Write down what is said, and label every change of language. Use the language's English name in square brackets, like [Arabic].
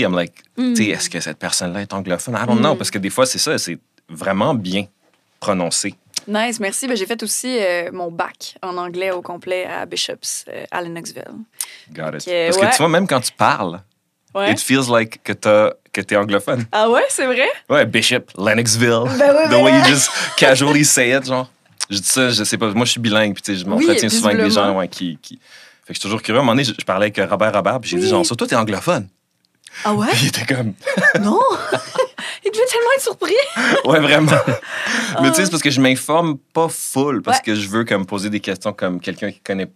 [English] I'm like, [French] tu sais, est-ce que cette personne-là est anglophone? [English] I don't know, [French] parce que des fois, c'est ça, c'est vraiment bien prononcé. Nice, merci. Ben, j'ai fait aussi mon bac en anglais au complet à Bishop's, à Lenoxville. [English] Got it. [French] Okay. Parce que tu vois, même quand tu parles, [English] it feels like [French] que t'es anglophone. Ah ouais, c'est vrai? Ouais, Bishop, Lenoxville. Ben oui, [English] the way you just casually say it, genre. [French] Je dis ça, je sais pas. Moi, je suis bilingue, puis tu sais, je m'entretiens souvent avec des gens ouais, qui... Fait que je suis toujours curieux. À un moment donné, je parlais avec Robert, puis j'ai dit, genre, ça, toi, t'es anglophone. Ah ouais? Puis il était comme... Non! Il devait tellement être surpris. Ouais, vraiment. Mais tu sais, c'est parce que je m'informe pas full, parce que je veux comme poser des questions comme quelqu'un qui connaît...